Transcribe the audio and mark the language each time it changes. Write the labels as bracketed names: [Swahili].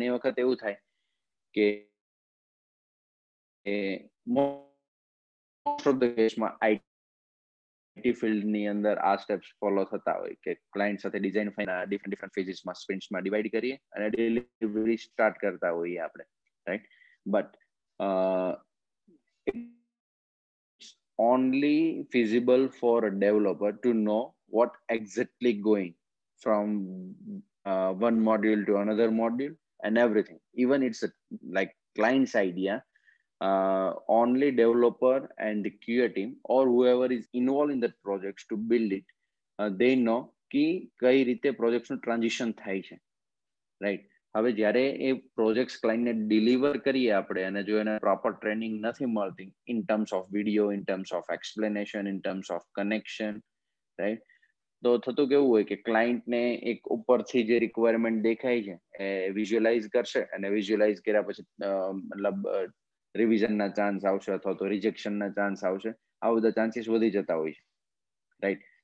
[Gujarati] ઘણી વખત એવું થાય કે મોસ્ટ ઓફ ધ કેસમાં આઈટી ફિલ્ડની અંદર આ સ્ટેપ્સ ફોલો થતા હોય કે ક્લાયન્ટ સાથે design final different different ફેઝિસમાં સ્પ્રિન્ટ્સમાં divide કરીએ અને ડિલિવરી સ્ટાર્ટ કરતા હોઈએ આપણે, right? [English] But It's only feasible for a developer to know what exactly going from one module to another module and everything. Even it's a, like client's idea, only developer and the QA team or whoever is involved in that project to build it, they know [Gujarati] ki kai rite projects no transition thai chhe, [English] right? [Gujarati] હવે જ્યારે એ project ક્લાયન્ટને deliver કરીએ આપણે અને જો એને proper training નથી મળતી in terms of video, in terms of explanation, in terms of connection, right? તો થતું કેવું હોય કે ક્લાયન્ટને એક ઉપરથી જે રિક્વાયરમેન્ટ દેખાય છે એ વિઝ્યુઅલાઇઝ કરશે, અને વિઝ્યુઅલાઇઝ કર્યા પછી મતલબ રિવિઝનના ચાન્સ આવશે અથવા તો રિજેક્શનના ચાન્સ આવશે, આવા બધા ચાન્સીસ વધી જતા હોય છે, રાઈટ?